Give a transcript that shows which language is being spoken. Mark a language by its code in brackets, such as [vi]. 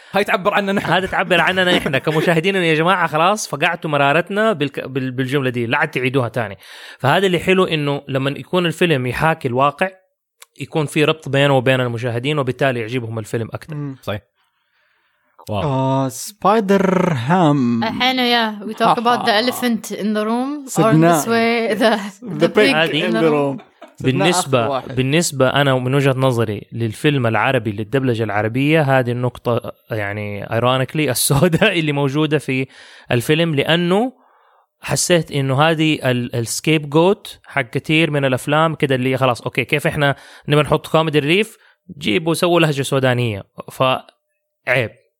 [ar] هاي تعبر عننا هذا تعبر عننا احنا كمشاهدين يا جماعه خلاص فقعتوا مرارتنا بالجمله دي لا تعيدوها تاني فهذا اللي حلو انه لما يكون الفيلم يحاكي الواقع يكون في ربط بينه وبين المشاهدين وبالتالي يعجبهم الفيلم اكثر صحيح سبايدر هام الحين يا [en] we talk about the elephant in the room or this way the pig in the room [ar] بالنسبة بالنسبة أنا من وجهة نظري للفيلم العربي للدبلجة العربية هذه النقطة يعني ايرونيكلي السوداء اللي موجودة في الفيلم لأنه حسيت إنه هذه السكيب جوت حق كتير من الأفلام كده اللي خلاص أوكي كيف إحنا نبي نحط كوميدي الريف جيبوا سووا لهجة سودانية فعيب